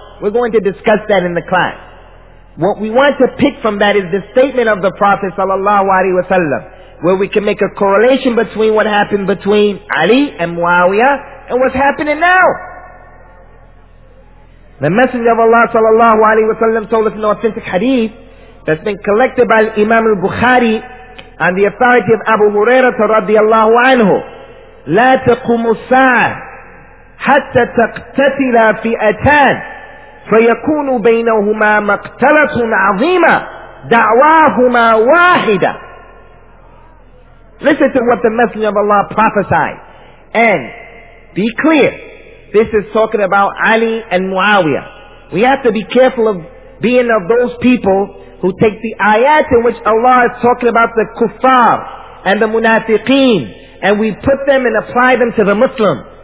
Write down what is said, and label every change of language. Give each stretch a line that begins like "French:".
English: We're going to discuss that in the class. What we want to pick from that is the statement of the Prophet sallallahu alaihi wasallam, where we can make a correlation between what happened between Ali and Muawiyah and what's happening now. The Messenger of Allah sallallahu alaihi wasallam told us an authentic hadith that's been collected by Imam al-Bukhari on the authority of Abu Hurairah radiallahu anhu.
Arabic: لا تقوم الساعة حتى تقتتل فئتان فيكون بينهما مقتلة عظيمة دعواهما واحدة.
English: Listen to what the Messenger of Allah prophesied. And be clear, this is talking about Ali and Muawiyah. We have to be careful of being of those people who take the ayat in which Allah is talking about the kuffar and the munafiqeen, and we put them and apply them to the Muslims.